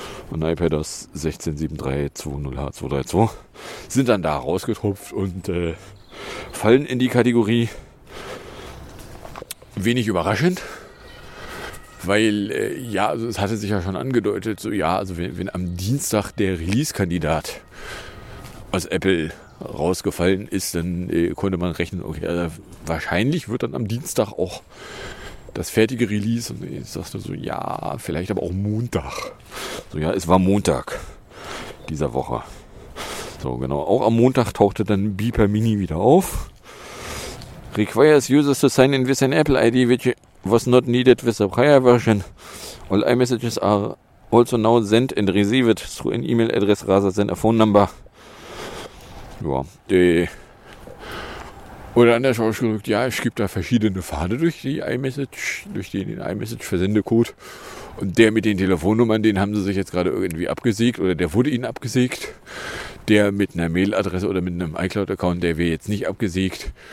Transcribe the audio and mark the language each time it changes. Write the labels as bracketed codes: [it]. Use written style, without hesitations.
[de] Und iPadOS 16.7.3.20H232 sind dann da rausgetupft und fallen in die Kategorie wenig überraschend, weil ja, also es hatte sich ja schon angedeutet, so, ja, also wenn am Dienstag der Release-Kandidat aus Apple rausgefallen ist, dann konnte man rechnen, okay, also wahrscheinlich wird dann am Dienstag auch das fertige Release, und ich sagte so, ja, vielleicht aber auch Montag. So, ja, es war Montag dieser Woche. So, genau, auch am Montag tauchte dann Beeper Mini wieder auf. [en] Requires users to sign in with an Apple ID, which was not needed with the prior version. All iMessages are also now sent and received through an email address rather than a phone number. [de] Ja, oder anders ausgedrückt, ja, es gibt da verschiedene Pfade durch den iMessage-Versendecode. Und der mit den Telefonnummern, den haben sie sich jetzt gerade irgendwie abgesägt, oder der wurde ihnen abgesägt. Der mit einer Mail-Adresse oder mit einem iCloud-Account, der wäre jetzt nicht abgesägt.